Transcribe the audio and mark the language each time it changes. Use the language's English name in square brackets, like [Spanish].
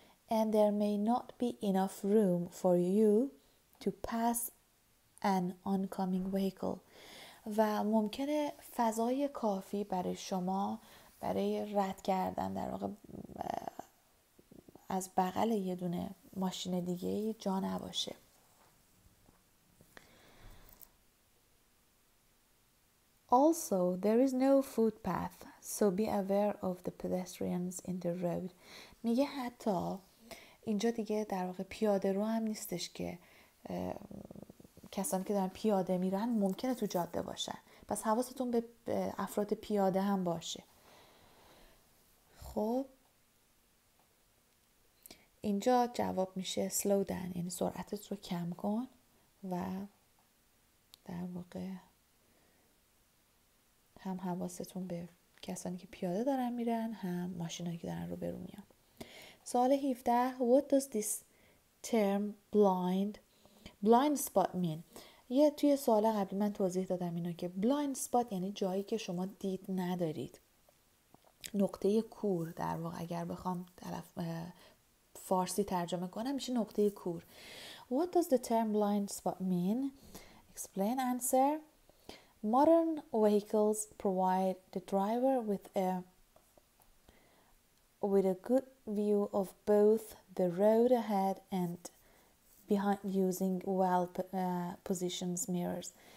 [English] And there may not be enough room for you to pass an oncoming vehicle. [Persian] و ممکنه فضای کافی برای شما برای رد کردن در واقع از بغل یه دونه ماشین دیگه جا نباشه. [English] Also, there is no footpath, so be aware of the pedestrians in the road. [Persian] میگه حتی اینجا دیگه در واقع پیاده رو هم نیستش که کسانی که دارن پیاده میرن ممکنه تو جاده باشن. پس حواستون به افراد پیاده هم باشه. خب اینجا جواب میشه [English] slow down، [Persian] یعنی سرعتت رو کم کن و در واقع هم حواستون به کسانی که پیاده دارن میرن هم ماشینایی که دارن رو برو میان. سوال 17 [English] What does this term blind spot mean؟ [Persian] یه توی سوال قبلی من توضیح دادم اینو که blind spot یعنی جایی که شما دید ندارید، نقطه کور در واقع، اگر بخوام طرف فارسی ترجمه کنم میشه نقطه کور. [English] What does the term blind spot mean؟ Explain answer. Modern vehicles provide the driver with a good view of both the road ahead and behind using well positioned mirrors.